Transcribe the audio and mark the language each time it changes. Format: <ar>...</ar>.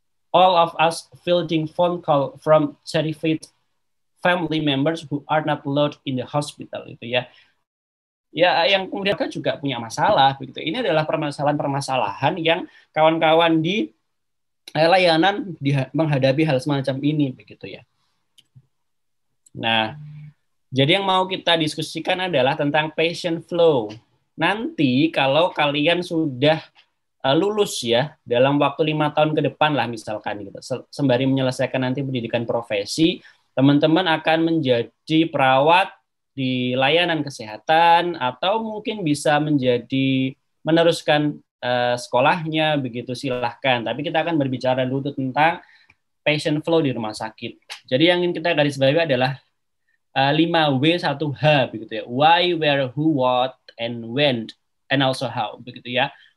<en>All of us fielding phone call from terrified family members who are not allowed in the hospital</en> <id>gitu ya. Ya, yang mereka juga punya masalah begitu. Ini adalah permasalahan-permasalahan yang kawan-kawan di layanan menghadapi hal semacam ini begitu ya. Nah, jadi yang mau kita diskusikan adalah tentang patient flow. Nanti kalau kalian sudah lulus ya, dalam waktu 5 tahun ke depan lah misalkan gitu, sembari menyelesaikan nanti pendidikan profesi, teman-teman akan menjadi perawat di layanan kesehatan atau mungkin bisa menjadi meneruskan sekolahnya begitu, silahkan. Tapi kita akan berbicara dulu tentang patient flow di rumah sakit. Jadi yang ingin kita garis bawahi adalah 5W1H begitu ya.</id> <en>Why, where, who, what, and when, and also how</en> <id>begitu ya.</id>